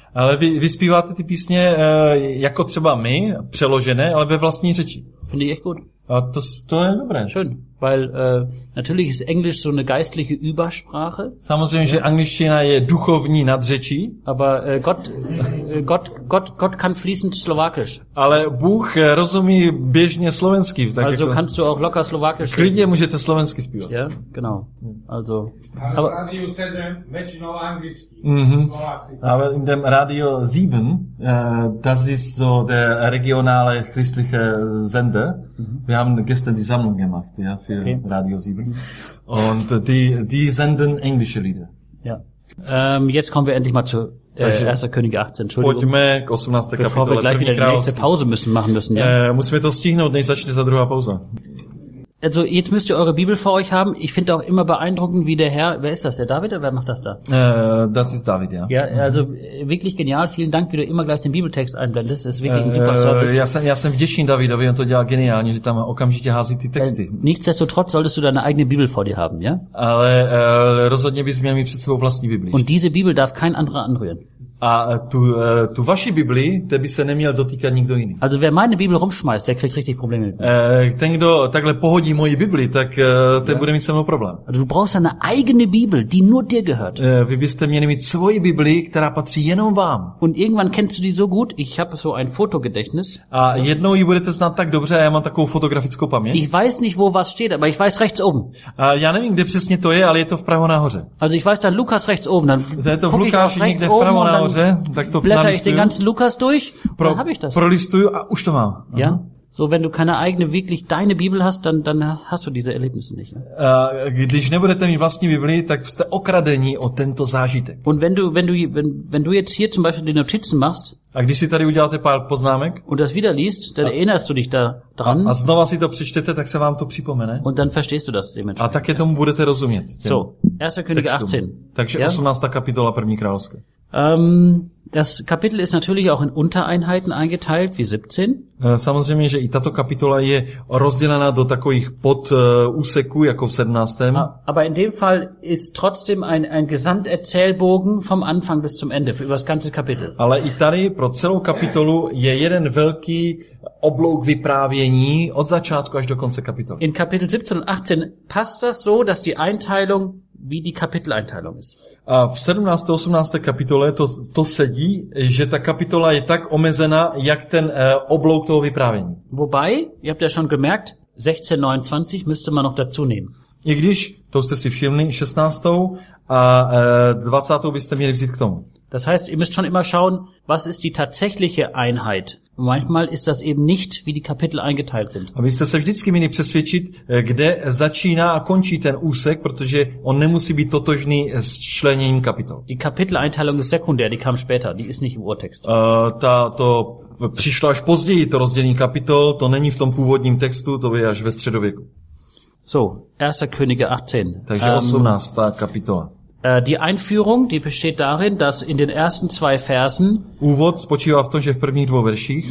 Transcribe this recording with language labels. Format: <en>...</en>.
<cs>Ale vy zpíváte ty písně, jako třeba my, přeložené, ale ve vlastní řeči.</cs> <de>Finde ich echt gut.</de> <cs>To je dobré.</cs> <de>Schön, weil natürlich ist Englisch so eine geistliche Übersprache.</de> <cs>Samozřejmě, že angličtina je duchovní nadřečí.</cs> <de>Aber Gott kann fließend Slowakisch.</de> <cs>Ale Bůh rozumí běžně slovensky. Tak</cs> <de>also</de> <cs>jako,</cs> <de>kannst du auch locker Slowakisch.</de> <cs>Klidně můžete slovensky zpívat.</cs> <de>Ja, genau. Also.</de> <cs>Aber Radio 7 většinou anglicky. Mhm.</cs> <de>Aber in dem Radio 7, das ist so der regionale christliche Sender. Wir haben gestern die Sammlung gemacht, ja, für okay. Radio 7. Und die senden englische Lieder. Ja. Jetzt kommen wir endlich mal zu 1. Könige 18. Entschuldigung.</de> <cs>Pojďme k 18. Kapitole.</cs> <de>Bevor wir gleich wieder die nächste Pause machen müssen. Ja.</de> <cs>Musíme to stihnout, než začne ta druhá pauza.</cs> <de>Also, jetzt müsst ihr eure Bibel vor euch haben. Ich finde auch immer beeindruckend, wie der Herr, wer ist das, der David, oder wer macht das da? Das ist David, ja. Ja, also, wirklich genial. Vielen Dank, wie du immer gleich den Bibeltext einblendest. Das ist wirklich ein super Service.</de> <cs>Já jsem vděčný Davidovi, on to dělá geniálně, že tam okamžitě hází ty texty.</cs> <de>Nichtsdestotrotz solltest du deine eigene Bibel vor dir haben, ja?</de> <cs>Ale rozhodně bys měl mít před sebou vlastní Bibli.</cs> <de>Und diese Bibel darf kein anderer anrühren.</de> <cs>A tu vaši Biblii, te by se neměl dotýkat nikdo jiný.</cs> <de>Also wer meine Bibel rumschmeißt, der kriegt richtig Probleme.</de> <cs>Ten, kdo takhle pohodí moji Biblii, tak ten bude mít se mnou problém.</cs> <de>Also du brauchst eine eigene Bibel, die nur dir gehört.</de> <cs>Vy byste měli mít svoji Biblii, která patří jenom vám.</cs> <de>Und irgendwann kennst du die so gut, ich habe so ein Fotogedächtnis.</de> <cs>A jednou ji budete znát tak dobře, a já mám takovou fotografickou paměť.</cs> <de>Ich weiß nicht, wo was steht, aber ich weiß rechts oben.</de> <cs>Já nevím, kde přesně to je, ale je to vpravo nahoře.</cs> <de>Also ich weiß dann Lukas rechts oben, dann</de> <cs>je to v Lukáši někde vpravo nahoře.</cs> <de>Blätter ich den ganzen Lukas durch, dann habe ich das.</de> <cs>Prolistuju a už to mám.</cs> <de>Ja? So, wenn du keine eigene, wirklich deine Bibel hast, dann hast du diese Erlebnisse nicht.</de> <cs>Když nebudete mít vlastní Bibli, tak jste okradeni o tento zážitek.</cs> <de>Und wenn du jetzt hier zum Beispiel die Notizen machst,</de> <cs>a když si tady uděláte pár poznámek,</cs> <de>und das wieder liest, dann erinnerst du dich da dran.</de> <cs>A znova si to přečtete, tak se vám to připomene.</cs> <de>Und dann verstehst du das dementsprechend.</de> <cs>A také tomu budete rozumět.</cs> <de>So, 1. Könige 18.</de> <cs>Takže 18. Kapitola 1. Královské.</cs> <de>Das Kapitel ist natürlich auch in Untereinheiten eingeteilt, wie 17.</de> <cs>Samozřejmě, že i tato kapitola je rozdělena do takových pod úseků, jako v 17.</cs> <de>Aber in dem Fall ist trotzdem ein Gesamterzählbogen vom Anfang bis zum Ende, über das ganze Kapitel.</de> <cs>Ale i tady pro celou kapitolu je jeden velký oblouk vyprávění od začátku až do konce kapitoly.</cs> <de>In Kapitel 17 und 18 passt das so, dass die Einteilung wie die Kapiteleinteilung ist.</de> <cs>A v 17. 18. kapitole to sedí, že ta kapitola je tak omezená, jak ten oblouk toho vyprávění.</cs> <de>Wobei, ihr habt ja schon gemerkt, 16, 29 müsste man noch dazu nehmen. I když, to jste si všimli, 16. a 20. byste měli vzít k tomu. Das heißt, ihr müsst schon immer schauen, was ist die tatsächliche Einheit. Manchmal ist das eben nicht, wie die Kapitel eingeteilt sind.</de> <cs>A vy jste se vždycky měli přesvědčit, kde začíná a končí ten úsek, protože on nemusí být totožný s členěním kapitol.</cs> <de>Die Kapiteleinteilung ist sekundär, die kam später, die ist nicht im Urtext.</de> <cs>To přišlo až později, to rozdělení kapitol, to není v tom původním textu, to je až ve středověku.</cs> <de>So, 1. Könige 18.</de> <cs>Takže 18. kapitola.</cs> <de>Die Einführung, die besteht darin, dass in den ersten zwei Versen</de> <cs>Úvod spočívá v tom, že v prvních dvou verších</cs>